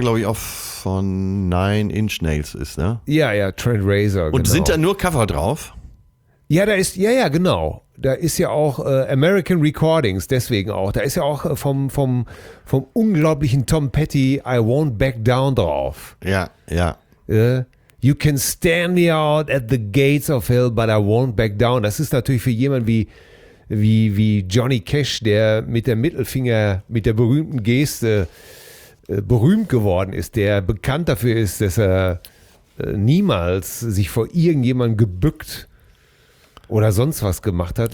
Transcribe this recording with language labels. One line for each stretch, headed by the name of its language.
German: Glaube ich, auch von Nine Inch Nails ist, ne? Ja, ja, Trent Reznor. Und genau. Sind da nur Cover drauf? Ja, da ist, ja, ja, genau. Da ist ja auch American Recordings, deswegen auch. Da ist ja auch vom unglaublichen Tom Petty I Won't Back Down drauf. Ja, ja.
English: You can stand me out at the gates of hell, but I won't back down.
German: Das ist natürlich für jemanden wie Johnny Cash, der mit der Mittelfinger, mit der berühmten Geste berühmt geworden ist, der bekannt dafür ist, dass er niemals sich vor irgendjemandem gebückt oder sonst was gemacht hat.